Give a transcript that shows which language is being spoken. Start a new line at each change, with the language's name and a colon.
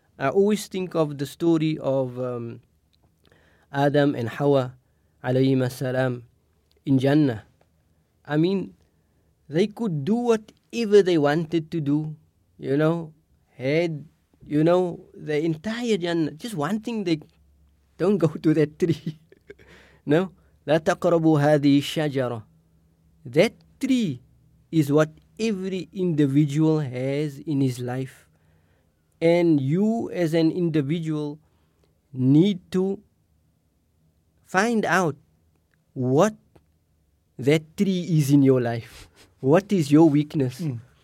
English: I always think of the story of Adam and Hawa alayhi salam in Jannah. I mean, they could do whatever they wanted to do, you know, had, you know, the entire Jannah. Just one thing, they don't go to that tree.
Arabic: No, لا تقربوا هذه الشجرة.
English: That tree is what every individual has in his life. And you as an individual need to find out what that tree is in your life? What is your weakness? Mm.